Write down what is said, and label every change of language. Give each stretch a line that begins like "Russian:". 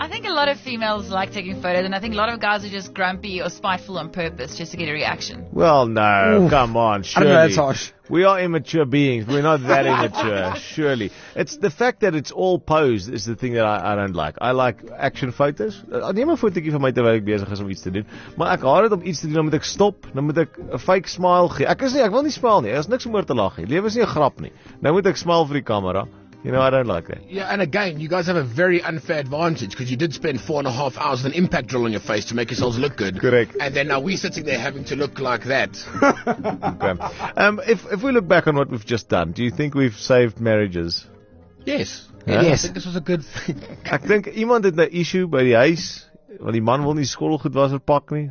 English: I think a lot of females like taking photos and I think a lot of guys are just grumpy or spiteful on purpose just to get a reaction. Well, no, oof. Come on, surely. I know, that's harsh. We are immature beings. We're not that immature, surely. It's the fact that it's all posed is the thing that I don't like. I like action photos.
Afrikaans: Neem 'n fotootjie van my terwyl ek besig is om iets te doen. Maar ek haat dit om iets te doen, dan moet ek stop. Dan moet ek 'n fake smile gee. Ek is nie, ek wil nie smile nie. Daar is niks om oor te lag nie. Lewe is nie 'n grap nie. Nou moet ek smile vir die kamera.
English: You know, I don't like that. Yeah, and again, you guys have a very unfair advantage because you did spend 4.5 hours with an impact drill on your face to make yourselves look good. Correct. And then now we're sitting there having to look like that. Okay. If we look back on what we've just done, do you think we've saved marriages? Yes. Yeah? Yes. I think this was a good thing. I think
Afrikaans: iemand het 'n issue by die huis, want die man wil nie skottelgoed waser pak nie.